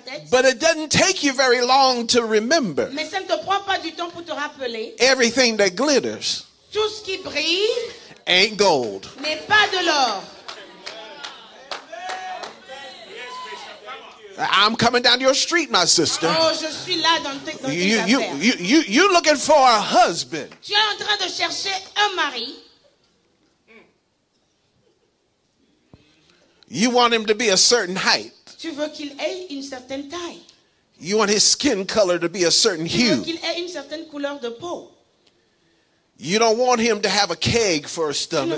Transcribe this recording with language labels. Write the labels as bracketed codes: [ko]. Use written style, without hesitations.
[en] But it doesn't take you very long to remember [fr] mais ça ne te prend pas du temps pour te rappeler [en] everything that glitters [fr] tout ce qui brille [en] ain't gold. [fr] N'est pas de l'or. [en] I'm coming down your street, my sister. [fr] Oh, je suis là dans tes affaires. [en] You're looking for a husband. [fr] Tu es en train de chercher un mari. [en] You want him to be a certain height. [fr] Tu veux qu'il ait une certaine taille. [en] You want his skin color to be a certain hue. [fr] Tu veux qu'il ait une certaine couleur de peau. [en] You don't want him to have a keg for a stomach.